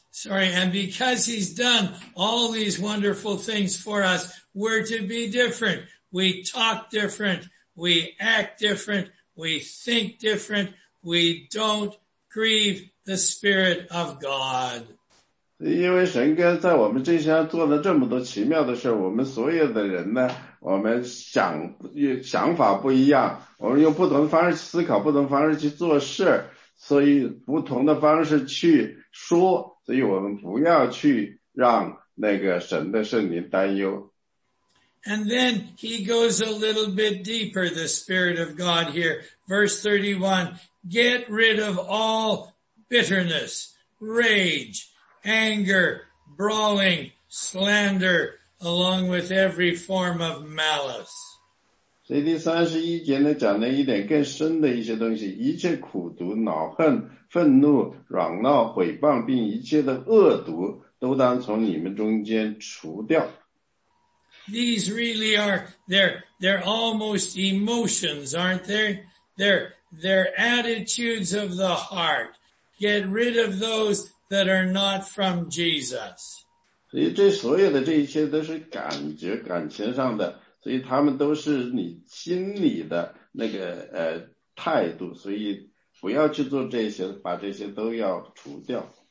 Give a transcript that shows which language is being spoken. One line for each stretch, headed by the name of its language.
English: And because he's done all these wonderful things for us, we're to be different. We talk different. We act different. We think different. We don't grieve the Spirit of God.
Chinese: 因为神跟在我们这些做了这么多奇妙的事，我们所有的人呢，我们想法不一样，我们用不同的方式去思考，不同的方式去做事，所以不同的方式去说，所以我们不要去让那个神的圣灵担忧。
English: And then he goes a little bit deeper, the Spirit of God here. Verse 31, get rid of all bitterness, rage, anger, brawling, slander, along with every form of malice.
Chinese: 所以第31节呢，讲了一点更深的一些东西，一切苦毒、恼恨、愤怒、软闹、毁谤，并一切的恶毒，都当从你们中间除掉。
English: These really are, they're almost emotions, aren't they? They're attitudes of the heart. Get rid of those that are not from Jesus.
Chinese: 所以这所有的这一切都是感觉感情上的，所以他们都是你心里的那个态度，所以不要去做这些，把这些都要除掉。